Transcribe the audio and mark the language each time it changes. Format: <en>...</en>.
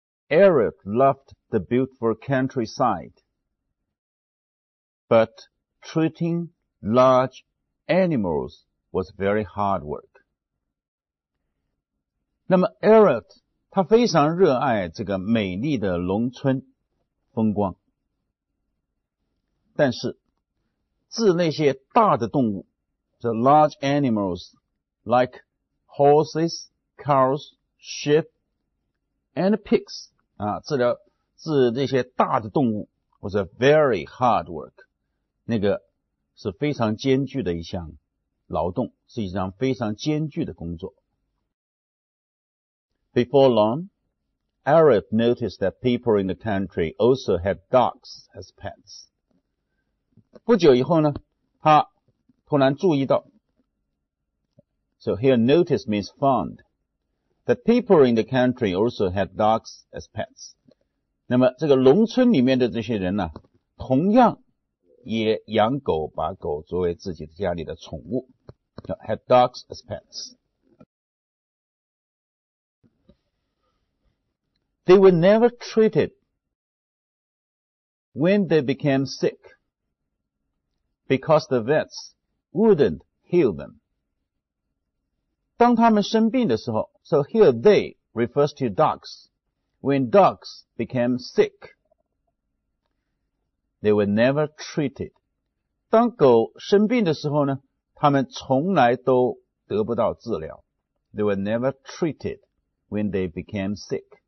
<en>Eric loved the beautiful countryside, but treating large animals was very hard work.</en> <zh>那么 Eric他非常热爱这个美丽的农村风光，但是治那些大的动物</zh> <en>，the large animals like horses, cows, sheep, and pigs</en> <zh>啊，治这些大的动物</zh> <en>was a very hard work，</en> <zh>那个是非常艰巨的一项劳动，是一项非常艰巨的工作。</zh> <en>Before long, Arif noticed that people in the country also had dogs as pets.</en> <zh>不久以后呢，他突然注意到</zh> <en>,so here notice means found, that people in the country also had dogs as pets.</en> <zh>那么这个农村里面的这些人呢，同样也养狗，把狗作为自己家里的宠物</zh> <en>,had dogs as pets. They were never treated when they became sick because the vets wouldn't heal them.</en> <zh>当他们生病的时候</zh> <en>,so here they refers to dogs. When dogs became sick, they were never treated.</en> <zh>当狗生病的时候呢，他们从来都得不到治疗。</zh> <en>They were never treated when they became sick.</en>